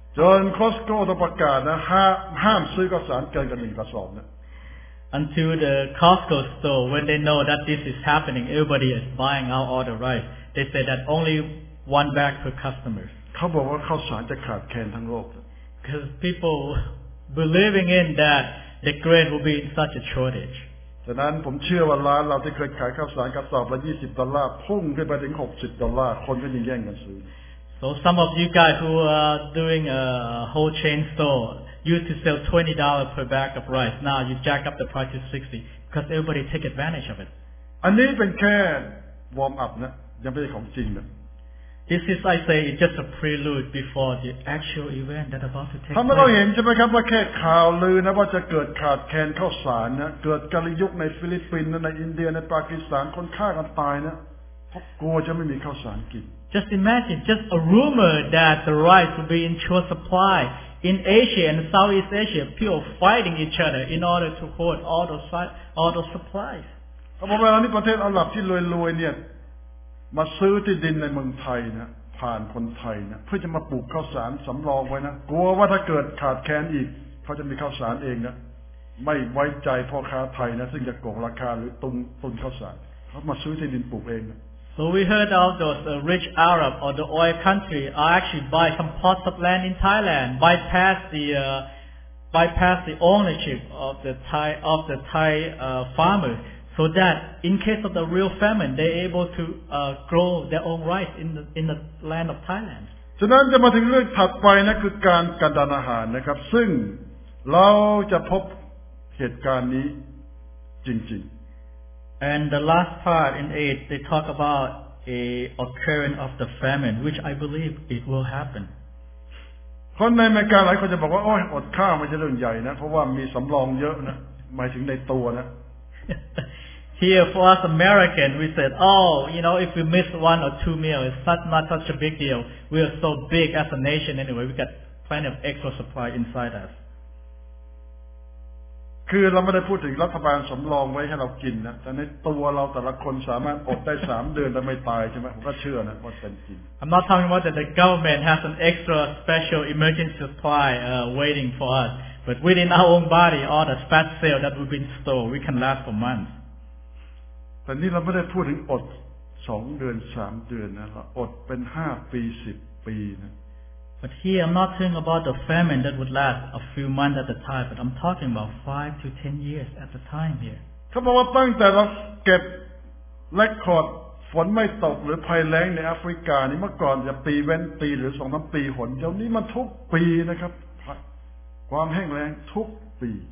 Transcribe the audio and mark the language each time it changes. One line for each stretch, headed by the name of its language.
Thai: จนคอสโก้ต้องประกาศนะห้ามซื้อข้าวสารเกินกว่า1กระสอบนะ
English: Until the Costco store when they know that this is happening everybody is buying out all the rice they say that only one bag per customer
Thai: เขาบอกว่าข้าวสารจะขาดแคลนทั้งโลก
English: Because people believing in that the grain will be in such a shortage
Thai: ฉะนั้นผมเชื่อว่าร้านเราที่เคยขายข้าวสารกระสอบละ20ดอลลาร์พุ่งขึ้นไปถึง60ดอลลาร์คนก็ยังแย่งกันซื้อ
English: So some of you guys who are doing a whole chain store used to sell $20 per bag of rice. Now you jack up the price to $60 because everybody take advantage of it.
Thai: อันนี้เป็นแค่วอร์มอัพนะยังไม่ใช่ของจริงนะ
English: This is, I say, it's just a prelude before the actual event that about to take place.
Thai: ท่านไม่ต้องเห็นใช่ไหมครับว่าแค่ข่าวลือนะว่าจะเกิดขาดแคลนข้าวสารนะเกิดกาลยุคในฟิลิปปินส์ในอินเดียในปากีสถานคนฆ่ากันตายนะเพราะกลัวจะไม่มีข้าวสารกิน
English: Just imagine, just a rumor that the rice will be in short supply in Asia and Southeast Asia, people fighting each other in order to hoard all those supplies.
Thai: ผมบอกว่าในประเทศอาหรับที่รวยๆเนี่ยมาซื้อที่ดินในเมืองไทยนะผ่านคนไทยนะเพื่อจะมาปลูกข้าวสารสำรองไว้นะกลัวว่าถ้าเกิดขาดแคลนอีกเขาจะมีข้าวสารเองนะไม่ไว้ใจพ่อค้าไทยนะซึ่งจะโกงราคาหรือตุนข้าวสารเขามาซื้อที่ดินปลูกเองนะ
English: So we heard of those rich Arab or the oil country are actually buy some plots of land in Thailand, bypass the bypass the ownership of the Thai farmers, so that in case of the real famine, they're able to grow their own rice in the land of Thailand.
Thai: ฉะนั้นจะมาถึงเรื่องถัดไปนะคือการกันดานอาหารนะครับซึ่งเราจะพบเหตุการณ์นี้จริง
English: ๆ And the last part in 8 they talk about a occurrence of the famine which I believe it will happen
Thai: คนในอเมริกาหลายคนจะบอกว่าโอ๊ยอดข้าวไม่ใช่เรื่องใหญ่นะเพราะว่ามีสำรองเยอะนะหมายถึงในตัวนะ
English: Here for us Americans, we said, oh, you know, if we miss one or two meals, it's not such a big deal. We are so big as a nation anyway. We got plenty of extra supply inside us.
Thai: คือเราไม่ได้พูดถึงรัฐบาลสำรองไว้ให้เรากินนะแต่ในตัวเราแต่ละคนสามารถอดได้3เดือนแต่ไม่ตายใช่ไหมผมก็เชื่อนะว่าเป็นจริง
English: I'm not talking about that the government has an extra special emergency supply waiting for us. But within our own body, all the fat cells that we've been stored, we can last for months.
Thai: แต่นี่เราไม่ได้พูดถึงอด2เดือน3เดือนนะเราอดเป็น5ปี10ปีนะ
English: But here I'm not talking about the famine that would last a few months at the time but I'm talking about 5 to 10 years at the time here
Thai: ถ้าบอกว่าตั้งแต่เราเก็บเรคคอร์ดฝนไม่ตกหรือภัยแล้งในแอฟริกานี่เมื่อก่อนจะปีเว้นปีหรือ2ถึง3ปีฝนเดี๋ยวนี้มันทุกปีนะครับความแห้งแล้งทุกปี